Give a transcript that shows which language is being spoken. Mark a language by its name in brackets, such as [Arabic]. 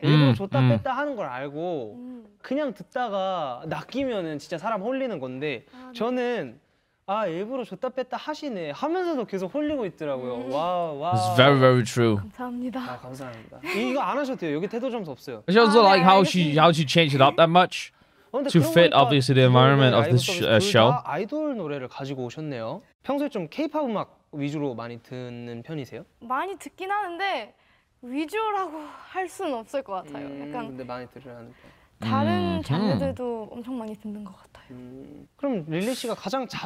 [Korean] 일부러 줬다 뺐다 하는 걸 알고 그냥 듣다가 낚이면은 진짜 사람 홀리는 건데 아, 네. 저는 아 일부러 줬다 뺐다 하시네 하면서도 계속 홀리고 있더라고요. 와. [English] It's very very true. [Korean] 감사합니다. 아 감사합니다. 이거 안 하셔도 돼요. 여기 태도 점수 없어요. [English] It's also like how she changed it up that much to fit obviously the environment of this show. [Korean] 아이돌 노래를 가지고 오셨네요. 평소에 좀 K-pop 음악 위주로 많이 듣는 편이세요? 많이 듣긴 하는데. 위주라고 할 수는 없을 것 같아요. 약간 근데 많이 들으라는 다른 장르들도 엄청 많이 듣는 것 같아요. 그럼 릴리 씨가 가장 자주